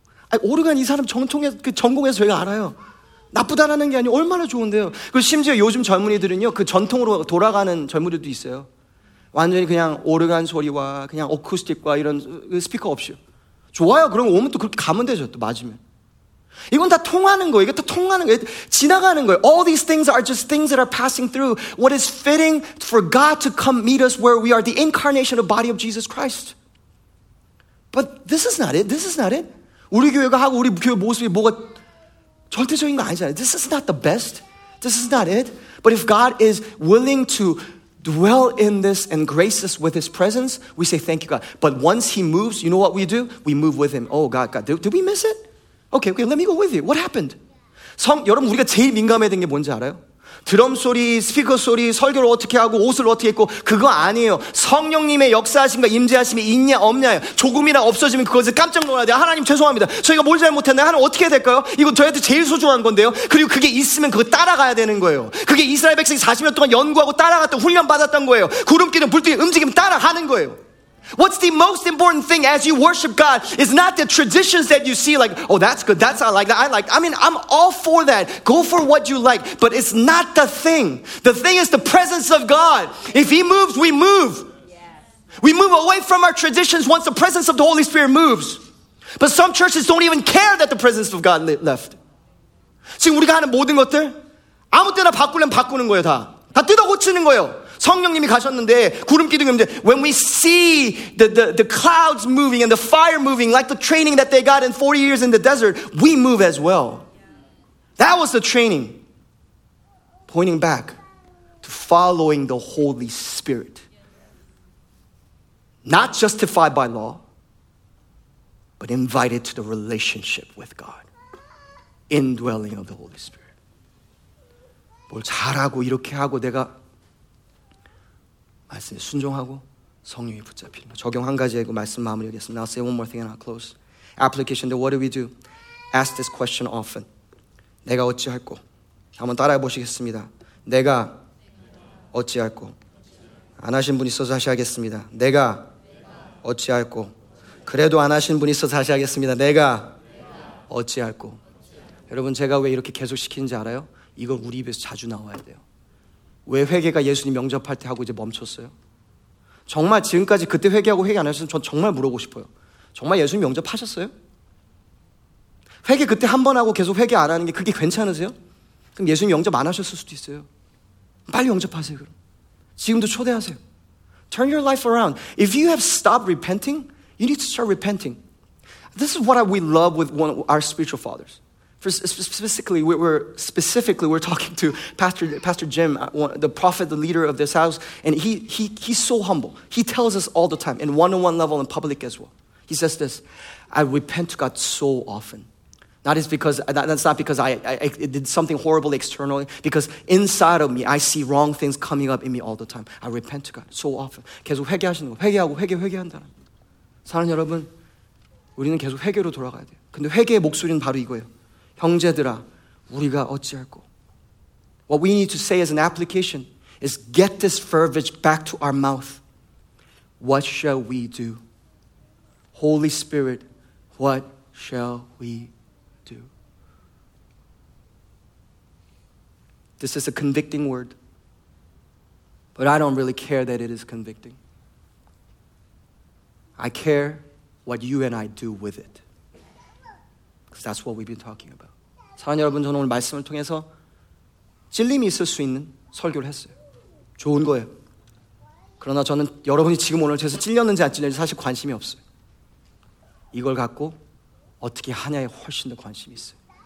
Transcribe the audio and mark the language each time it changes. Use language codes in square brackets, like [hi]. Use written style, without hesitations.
[ko] 아니, 오르간 이 사람 전통에 그 전공에서 저희가 알아요. 나쁘다라는 게 아니고 얼마나 좋은데요. 그리고 심지어 요즘 젊은이들은요 그 전통으로 돌아가는 젊은이들도 있어요. 완전히 그냥 오르간 소리와 그냥 어쿠스틱과 이런 스피커 없이 좋아요. 그럼 오면 또 그렇게 가면 되죠. 또 맞으면 이건 다 통하는 거예요. 이게 다 통하는 거예요. 지나가는 거예요. [en] All these things are just things that are passing through. What is fitting for God to come meet us where we are, the incarnation of body of Jesus Christ. But this is not it. This is not it. [ko] 우리 교회가 하고 우리 교회 모습이 뭐가 절대적인 거 아니잖아요. [en] This is not the best. This is not it. But if God is willing to dwell in this and grace us with his presence, we say thank you, God. But once he moves, you know what we do? We move with him. Oh, God. Did we miss it? Okay, let me go with you. What happened? [ko] 여러분, 우리가 제일 민감해야 된 게 뭔지 알아요? 드럼 소리, 스피커 소리, 설교를 어떻게 하고 옷을 어떻게 입고 그거 아니에요. 성령님의 역사하심과 임재하심이 있냐 없냐요. 조금이나 없어지면 그것을 깜짝 놀라야 돼요. 하나님 죄송합니다. 저희가 뭘 잘못했나요? 하나님 어떻게 해야 될까요? 이거 저희한테 제일 소중한 건데요. 그리고 그게 있으면 그거 따라가야 되는 거예요. 그게 이스라엘 백성이 40년 동안 연구하고 따라갔던 훈련 받았던 거예요. 구름기둥 불뚝이 움직이면 따라가는 거예요. [en] What's the most important thing as you worship God is not the traditions that you see like, oh, that's good, that's I like that, I like that. I mean, I'm all for that. Go for what you like. But it's not the thing. The thing is the presence of God. If he moves, we move. We move away from our traditions once the presence of the Holy Spirit moves. But some churches don't even care that the presence of God left. [ko] 지금 우리가 하는 모든 것들 아무 때나 바꾸려면 바꾸는 거예요, 다. 다 뜯어 고치는 거예요. 성령님이 가셨는데 구름 기둥이 이제 [en] when we see the clouds moving and the fire moving like the training that they got in 40 years in the desert, we move as well. That was the training. Pointing back to following the Holy Spirit. Not justified by law, but invited to the relationship with God. Indwelling of the Holy Spirit. [ko] 뭘 잘하고 이렇게 하고 내가 말씀에 순종하고 성령이 붙잡히는 거. 적용 한 가지 하고 말씀 마무리하겠습니다. [en] I'll say one more thing and I'll close. Application, then what do we do? Ask this question often. [ko] 내가 어찌할꼬? 한번 따라해 보시겠습니다. 내가 어찌할꼬? 안 하신 분 있어서 하셔야겠습니다. 내가 어찌할꼬? 그래도 안 하신 분 있어 다시 하겠습니다. 내가 어찌할꼬. 여러분 제가 왜 이렇게 계속 시키는지 알아요? 이건 우리 입에서 자주 나와야 돼요. 왜 회개가 예수님 영접할 때 하고 이제 멈췄어요? 정말 지금까지 그때 회개하고 회개 안 하셨으면 전 정말 물어보고 싶어요. 정말 예수님 영접하셨어요? 회개 그때 한 번 하고 계속 회개 안 하는 게 그게 괜찮으세요? 그럼 예수님 영접 안 하셨을 수도 있어요. 빨리 영접하세요 그럼. 지금도 초대하세요. [en] Turn your life around. If you have stopped repenting, you need to start repenting. This is what we love with one of our spiritual fathers. Specifically, we're talking to Pastor Jim, the prophet, the leader of this house, and he's so humble. He tells us all the time, in one-on-one level, in public as well. He says this, I repent to God so often. That's not because I did something horrible externally, because inside of me, I see wrong things coming up in me all the time. I repent to God so often. [ko] 계속 회개하시는 거, 회개하고 회개, 회개한다. 사랑하는 여러분, 우리는 계속 회개로 돌아가야 돼요. 근데 회개의 목소리는 바로 이거예요. 형제들아, 우리가 어찌할꼬? [en] What we need to say as an application is get this verbiage back to our mouth. What shall we do? Holy Spirit, what shall we do? This is a convicting word, but I don't really care that it is convicting. I care what you and I do with it. Because that's what we've been talking about. [ko] 사랑하는 여러분, 저는 오늘 말씀을 통해서 찔림이 있을 수 있는 설교를 했어요. 좋은 거예요. 그러나 저는 여러분이 지금 오늘 제가 찔렸는지 안 찔렸는지 사실 관심이 없어요. 이걸 갖고 어떻게 하냐에 훨씬 더 관심이 있어요.